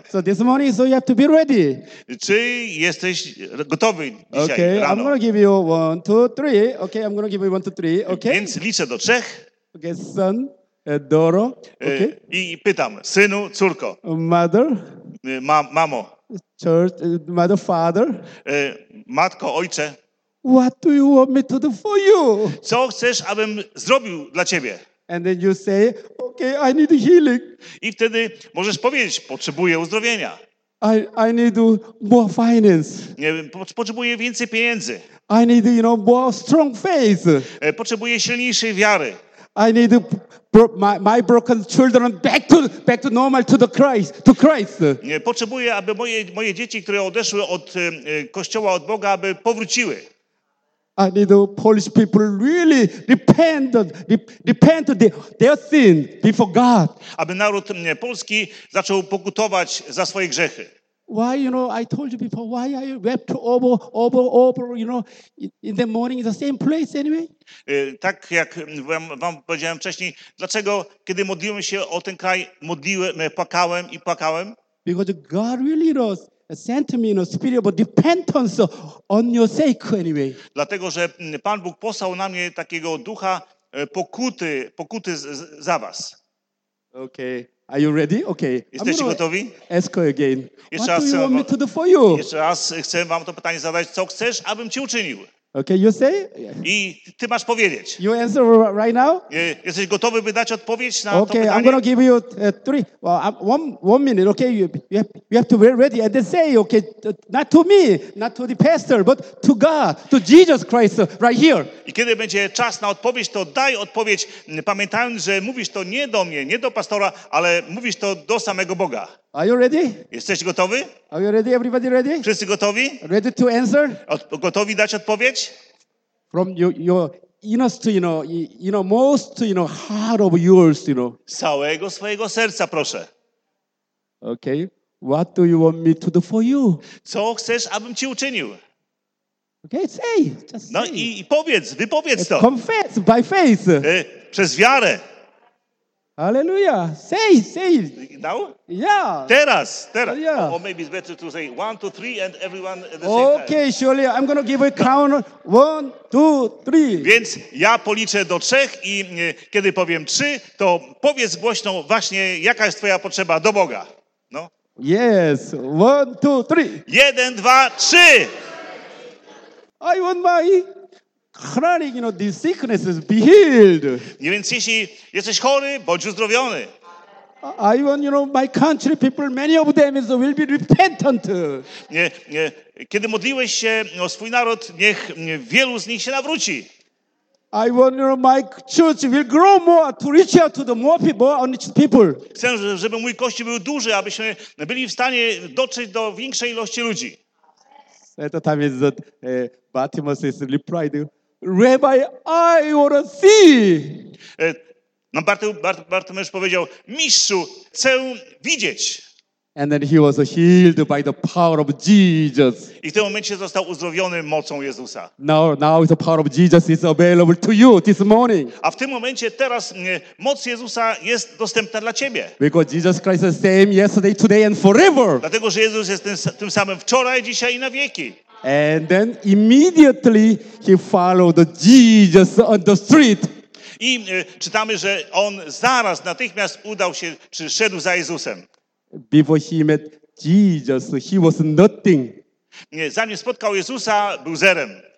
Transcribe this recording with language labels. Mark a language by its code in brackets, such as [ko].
[en] So this morning, so you have to be ready. [pl] Czy jesteś gotowy dzisiaj [en] okay, [pl] rano? [en] I'm gonna give you one, two, three. Okay, I'm gonna give you one, two, three. Okay. [pl] Więc liczę do trzech. [en] Okay, son, Doro. Okay. [pl] I pytam, synu, córko. [en] Mother. [pl] Mamo. [en] Church, mother, father. [pl] Matko, ojcze. [en] What do you want me to do for you? [pl] Co chcesz, abym zrobił dla ciebie? [en] And then you say, okay, I need healing. [pl] I wtedy możesz powiedzieć, potrzebuję uzdrowienia. [en] I need more finance. [pl] Nie wiem, potrzebuję więcej pieniędzy. [en] I need, you know, more strong faith. [pl] Potrzebuję silniejszej wiary. [en] I need my broken children back to normal to the Christ, to Christ. [pl] Nie, potrzebuję, aby moje dzieci, które odeszły od kościoła, od Boga, aby powróciły. [en] I need the Polish people really repent their sin before God. [pl] Aby naród polski zaczął pokutować za swoje grzechy. [en] Why, you know, I told you before, why I wept over, you know, in the morning in the same place anyway? [pl] Tak jak wam powiedziałem wcześniej, dlaczego, kiedy modliłem się o ten kraj, płakałem? [en] Because God really knows. Sent me, you know, spirit of repentance on your sake anyway. [pl] Dlatego, że Pan Bóg posłał na mnie takiego ducha pokuty za was. [en] Okay. Are you ready? Okay. [pl] Jesteście gotowi? [en] Ask again. [pl] Jeszcze raz, [en] what do you want me to do for you? [pl] Jeszcze raz chcę wam to pytanie zadać. Co chcesz, abym ci uczynił? [en] Okay, you say? [pl] I ty masz powiedzieć. [en] You answer right now? [pl] Jesteś gotowy, by dać odpowiedź na [en] okay, [pl] to pytanie? [en] Okay, I'm gonna give you three. Well, one minute. Okay, you have to be ready. And they say, okay, not to me, not to the pastor, but to God, to Jesus Christ, right here. [pl] I kiedy będzie czas na odpowiedź, to daj odpowiedź, pamiętając, że mówisz to nie do mnie, nie do pastora, ale mówisz to do samego Boga. [en] Are you ready? [pl] Jesteś gotowy? [en] Are you ready? Everybody ready? [pl] Wszyscy gotowi? [en] Ready to answer? [pl] Gotowi dać odpowiedź? [en] From your innermost, you know, most, you know, heart of yours, you know. [pl] Z całego swojego serca, proszę. [en] Okay. What do you want me to do for you? [pl] Co chcesz, abym ci uczynił? [en] Okay, say. Just say. [pl] No i powiedz, wypowiedz to. [en] Confess by faith. [pl] Przez wiarę. [en] Hallelujah. Say. Now? Yeah. [pl] Teraz. [en] Oh, yeah. Or maybe it's better to say one, two, three, and everyone at the okay, same time. Okay, surely I'm going to give a count. One, two, three. [pl] Więc ja policzę do trzech i kiedy powiem trzy, to powiedz głośno właśnie, jaka jest twoja potrzeba do Boga. No. [en] Yes. One, two, three. [pl] Jeden, dwa, trzy. [en] I want my chronic, you know, this sickness is be healed. [pl] Nie, więc jeśli jesteś chory, bądź uzdrowiony. [en] I want, you know, my country people, many of them will be repentant. [pl] Nie, nie. Kiedy modliłeś się o swój naród, niech wielu z nich się nawróci. [en] I want, you know, my church will grow more to reach out to the more people on its people. [pl] Chcę, żeby mój kościół był duży, abyśmy byli w stanie dotrzeć do większej ilości ludzi. [en] At the time is that Bartimaeus is replied, Rabbi, I want to see. [pl] No, Bartimaeusz powiedział, mistrzu, chcę widzieć. [en] And then he was healed by the power of Jesus. [pl] I w tym momencie został uzdrowiony mocą Jezusa. [en] Now the power of Jesus is available to you this morning. [pl] A w tym momencie teraz moc Jezusa jest dostępna dla ciebie. [en] Because Jesus Christ is the same yesterday, today and forever. [pl] Dlatego, że Jezus jest tym samym wczoraj, dzisiaj i na wieki. [en] And then immediately he followed Jesus on the street. [pl] I czytamy, że on zaraz, natychmiast udał się, czy szedł za Jezusem. [en] Before he met Jesus, he was nothing. [pl] Nie, zanim spotkał Jezusa, był zerem.